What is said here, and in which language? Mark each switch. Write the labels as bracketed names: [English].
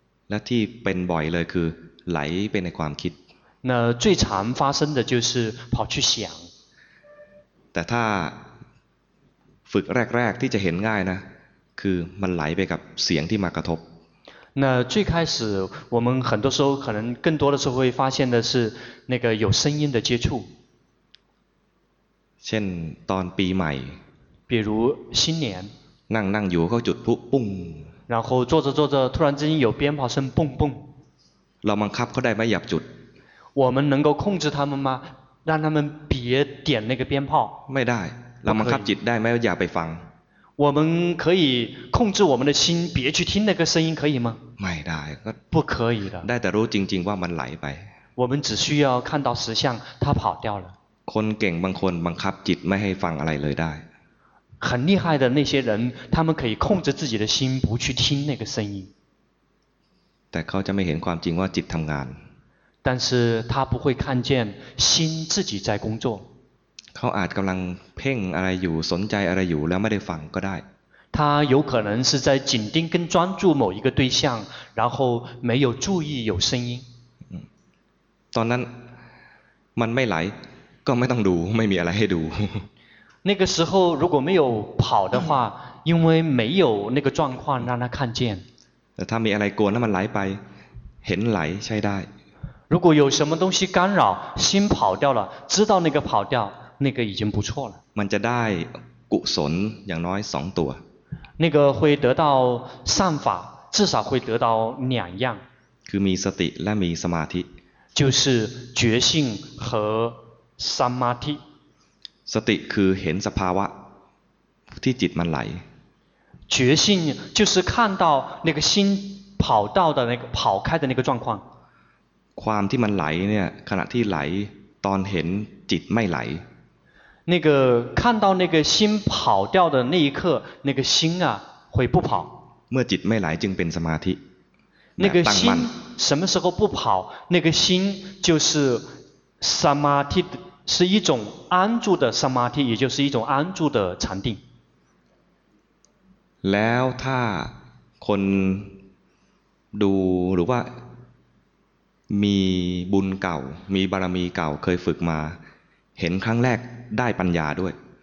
[Thai] และที่เป็นบ่อยเลยคือไหลไปในความคิด [Chinese] 那最常发生的就是跑去想 [Thai] แต่ถ้าฝึกแรกๆที่จะเห็นง่ายนะคือมันไหลไปกับเสียงที่มากระทบ [Chinese] 那最开始我们很多时候可能更多的时候会发现的是那个有声音的接触。 [Thai] เช่นตอนปีใหม่ [Chinese] 比如新年 [Thai] นั่งนั่งอยู่ก็จุดปุ๊บปุ้ง [Chinese] 然后坐着坐着突然之间有鞭炮声蹦蹦 [Thai] เราบังคับเขาได้ไหมอยากจุด [Chinese] 我们能够控制他们吗让他们别点那个鞭炮 [Thai] ไม่ได้เราบังคับจิตได้ไหมอย่าไปฟัง [Chinese] 我们可以控制我们的心别去听那个声音可以吗 [Thai] ไม่ได้ก็ [Chinese] 不可以的 [Thai] ได้แต่รู้จริงๆว่ามันไหลไป [Chinese] 我们只需要看到实相它跑掉了 [Thai] คนเก่งบางคนบังคับจิตไม่ให้ฟังอะไรเลยได้ [Chinese] 很厉害的那些人他们可以控制自己的心不去听那个声音 [Thai] แต่เขาจะไม่เห็นความจริงว่าจิตทำงาน [Chinese] 但是他不会看见心自己在工作 [Thai] เขาอาจกำลังเพ่งอะไรอยู่สนใจอะไรอยู่แล้วไม่ได้ฟังก็ได้ [Chinese] 他有可能是在紧盯跟专注某一个对象然后没有注意有声音 [Thai] ตอนนั้นมันไม่ไหลก็ไม่ต้องดูไม่มีอะไรให้ดู [Chinese] 那个时候如果没有跑的话因为没有那个状况让他看见他没来过那么来白很来才带如果有什么东西干扰心跑掉了知道那个跑掉那个已经不错了 [Thai] มันจะได้กุศลอย่างน้อย2ตัว [Chinese] 那个会得到善法至少会得到两样 [Thai] คือมีสติและมีสมาธิ [Chinese] 就是觉性和สมาธิ [Thai] สติคือเห็นสภาวะที่จิตมันไหล [Chinese] 觉性就是看到那个心跑到的那个跑开的那个状况 [Thai] ความที่มันไหลเนี่ยขณะที่ไหลตอนเห็นจิตไม่ไหล [Chinese] 那个看到那个心跑掉的那一刻那个心啊会不跑 [Thai] เมื่อจิตไม่ไหลจึงเป็นสมาธิ [Chinese] 那个心什么时候不跑那个心就是สมาธิ是一种安住的สมาธิ也就是一种安住的禅定 [Thai] แล้วถ้าคนดูหรือว่ามีบุญเก่ามีบารมีเก่าเคยฝึกมาเห็นครั้งแรกได้ปัญญาด้วย